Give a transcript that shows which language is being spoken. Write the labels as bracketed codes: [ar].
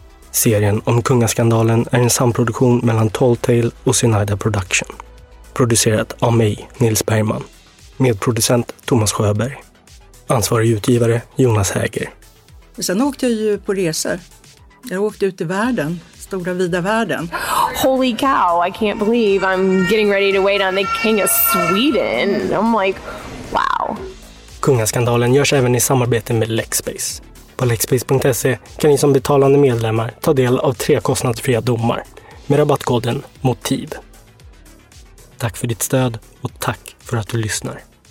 [sv] Serien om kungaskandalen är en samproduktion mellan Tall Tale och Zenaida Production. Producerat av mig, Nils Bergman. Medproducent Thomas Sjöberg. Ansvarig utgivare Jonas Häger. Sen åkte jag ju på resor. Jag åkte ut i världen, stora vida världen. [en] Holy cow, I can't believe I'm getting ready to wait on the king of Sweden. I'm like, wow. [sv] Kungaskandalen görs även i samarbete med Lexbase. På lexbase.se kan ni som betalande medlemmar ta del av 3 kostnadsfria domar med rabattkoden MOTIV. Tack för ditt stöd och tack för att du lyssnar.